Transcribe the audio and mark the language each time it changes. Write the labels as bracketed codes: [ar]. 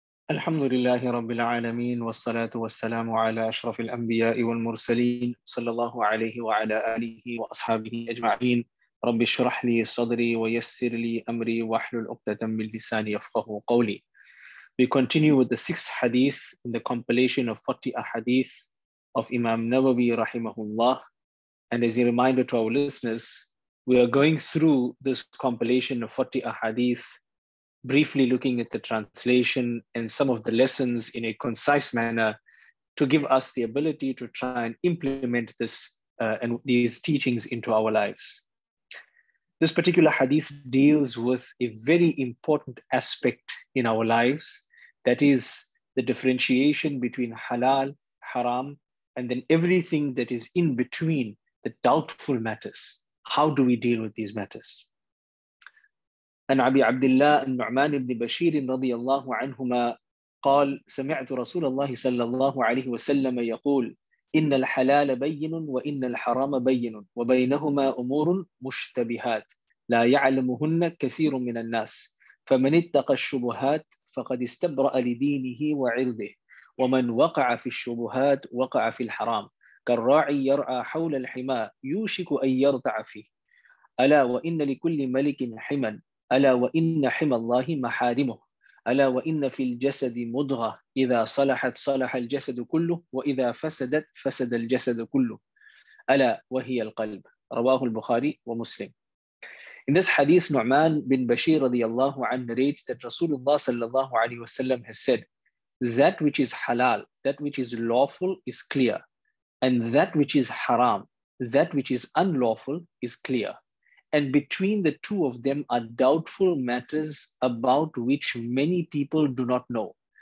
[ar] الحمد لله رب العالمين والصلاة والسلام على أشرف الأنبياء والمرسلين صلى الله عليه وعلى آله وأصحابه أجمعين رب اشرح لي صدري ويسر لي أمري واحلل عقدة من لساني يفقه قولي. [en] We continue with the sixth hadith in the compilation of 40 ahadith of Imam Nawawi rahimahullah. And as a reminder to our listeners, we are going through this compilation of 40 ahadith briefly, looking at the translation and some of the lessons in a concise manner to give us the ability to try and implement this and these teachings into our lives. This particular hadith deals with a very important aspect in our lives, that is the differentiation between halal, haram, and then everything that is in between, the doubtful matters. How do we deal with these matters? [ar] عن أبي عبد الله النعمان بن بشير رضي الله عنهما قال سمعت رسول الله صلى الله عليه وسلم يقول إن الحلال بين وإن الحرام بين وبينهما أمور مشتبهات لا يعلمهن كثير من الناس فمن اتقى الشبهات فقد استبرأ لدينه وعرضه ومن وقع في الشبهات وقع في الحرام كالراعي يرعى حول الحمى يوشك أن يرتع فيه ألا وإن لكل ملك حما ألا وإن حمى الله محارمه ألا وإن في الجسد مضغة إذا صلحت صلح الجسد كله وإذا فسدت فسد الجسد كله ألا وهي القلب رواه البخاري ومسلم. [en] In this hadith, Nu'man bin Bashir radiyallahu anhu narrates that Rasulullah sallallahu alayhi wa sallam has said, that which is halal, that which is lawful is clear, and that which is haram, that which is unlawful is clear. And between the two of them are doubtful matters about which many people do not know.